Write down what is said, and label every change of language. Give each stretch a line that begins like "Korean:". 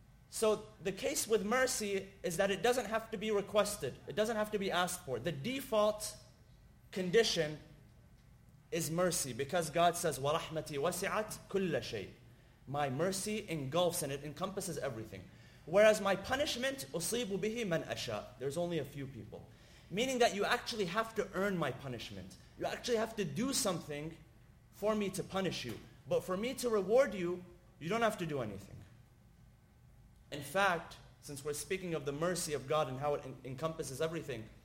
English: So the case with mercy is that it doesn't have to be requested. It doesn't have to be asked for. The default condition is mercy, because God says,
Arabic: وَرَحْمَتِي وَسِعَتْ كُلَّ شَيْءٍ.
English: My mercy engulfs and it encompasses everything. Whereas my punishment,
Arabic: أُصِيبُ بِهِ مَنْ أَشَاء.
English: There's only a few people. Meaning that you actually have to earn my punishment. You actually have to do something for me to punish you. But for me to reward you, you don't have to do anything. In fact, since we're speaking of the mercy of God and how it encompasses everything,